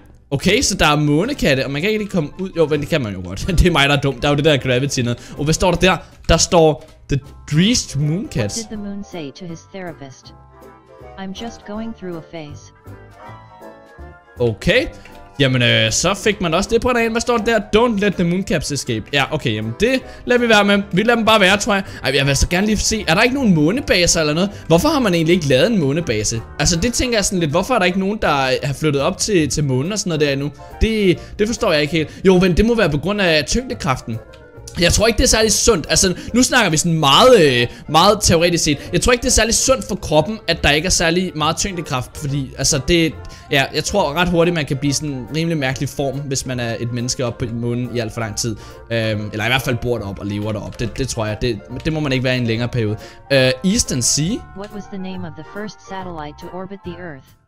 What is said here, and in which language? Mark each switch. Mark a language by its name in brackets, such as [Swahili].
[Danish] Okay, så der er månekatte, og man kan ikke lige komme ud. Jo, men det kan man jo godt, det er mig, der er dum. Der er jo det der gravity noget. Og hvad står der der? Der står the Dreased Mooncat. [English] What did the moon say to his therapist? I'm just going through a phase. Okay. [Danish] Jamen så fik man også det på en anden. Hvad står der? [English] Don't let the mooncaps escape. [Danish] Ja, okay, jamen det lader vi være med. Vi lader dem bare være, tror jeg. Ej, jeg vil så gerne lige se. Er der ikke nogen månebaser eller noget? Hvorfor har man egentlig ikke lavet en månebase? Altså det tænker jeg sådan lidt. Hvorfor er der ikke nogen, der har flyttet op til månen og sådan noget der endnu? Det forstår jeg ikke helt. Jo, men det må være på grund af tyngdekraften. Jeg tror ikke, det er særlig sundt. Altså, nu snakker vi sådan meget, meget teoretisk set. Jeg tror ikke, det er særlig sundt for kroppen, at der ikke er særlig meget tyngdekraft. Fordi, altså, jeg tror ret hurtigt, man kan blive sådan en rimelig mærkelig form, hvis man er et menneske oppe på månen i alt for lang tid. Eller i hvert fald bor deroppe og lever deroppe. Det tror jeg. Det må man ikke være i en længere periode. [English] Eastern Sea. What was the name of the first satellite to orbit the Earth?